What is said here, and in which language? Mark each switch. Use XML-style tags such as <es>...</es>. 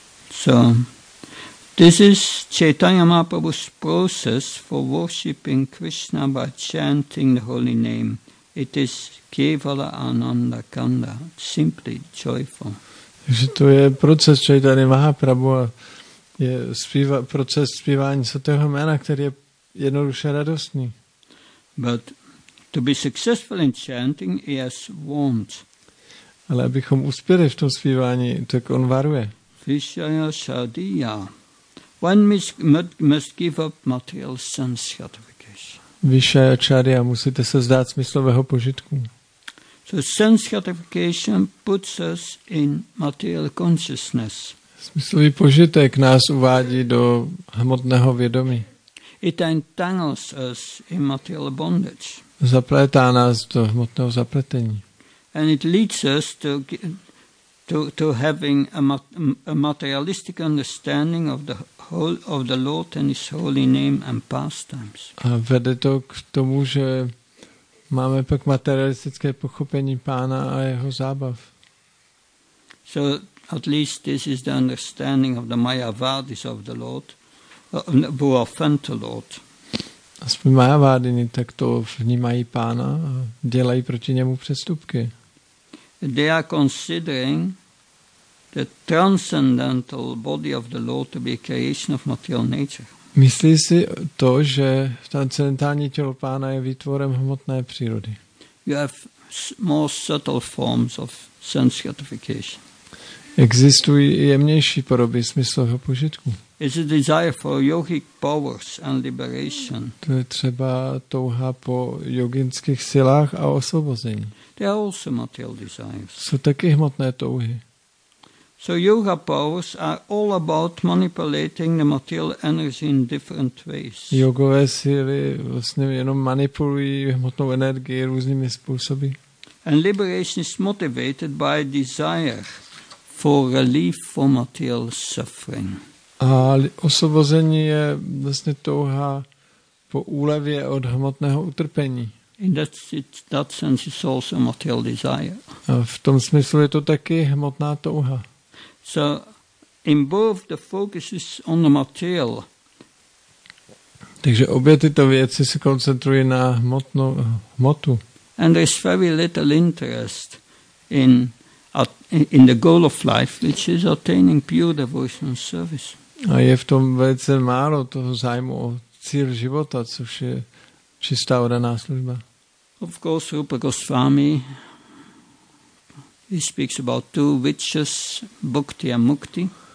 <en>So this is Chaitanya Mahaprabhu's process for worshipping Krishna by chanting the holy name. It is Kevala Ananda Kanda, simply joyful.</en> <cs>Takže to je proces Čaitanya Mahaprabhu a je proces zpívání svatého jména, který je jednoduše radostný.</cs> <en>But to be successful in chanting, he has warned.</en> <cs>Ale abychom uspěli v tom zpívání, tak on varuje.</cs> <en>Vishaya sadhya. One must give up material sense gratification.</en> <cs>Vishaya charya, musíte se vzdát smyslového požitku.</cs> <en>So sense gratification puts us in material consciousness.</en> <cs>Smyslový požitek nás uvádí do hmotného vědomí.</cs> <en>It entangles us in material bondage.</en> <cs>Zaplétá nás do hmotného zapletení.</cs> <en>And it leads us to having a materialistic understanding of the whole of the Lord and His holy name and pastimes.</en> <cs>A vede to k tomu, že máme pak materialistické pochopení Pána a jeho zábav.</cs> <en>So at least this is the understanding of the Mayavadis of the Lord, who offend the Lord.</en> <cs>Aspoň Mayavadini tak to vnímají Pána a dělají proti němu přestupky.</cs> <en>They are considering the transcendental body of the Lord to be a creation of material nature.</en> <cs>Myslí si to, že transcendentální tělo Pána je výtvorem hmotné přírody.</cs> <en>You have more subtle forms of sense gratification.</en> <cs>Existují jemnější podoby smyslového požitku.</cs> <en>It's a desire for yogic powers and liberation.</en> <cs>To je třeba touha po jogických silách a osvobození.</cs> <en>They are also material desires.</en> <cs>Jsou taky hmotné touhy.</cs> <en>So yoga powers are all about manipulating the material energy in different ways.</en> <cs>Jogové síly vlastně jenom manipulují hmotnou energii různými způsoby.</cs> <en>And liberation is motivated by desire for relief from material suffering.</en> <cs>A osvobození je vlastně touha po úlevě od hmotného utrpení.</cs> <en>In that sense it's also material desire.</en> <cs>A v tom smyslu je to taky hmotná touha.</cs> <en>So in both the focus is on the material.</en> <cs>Takže obě tyto věci se koncentrují na hmotu.</cs> <en>And there is very little interest in the goal of life, which is attaining pure devotional service.</en> <cs>A je v tom velice málo toho zájmu o cíl života, což je čistá oddaná služba.</cs> <en>Of course, Rupa Goswami, he speaks about two witches, bhukti and mukti.</en>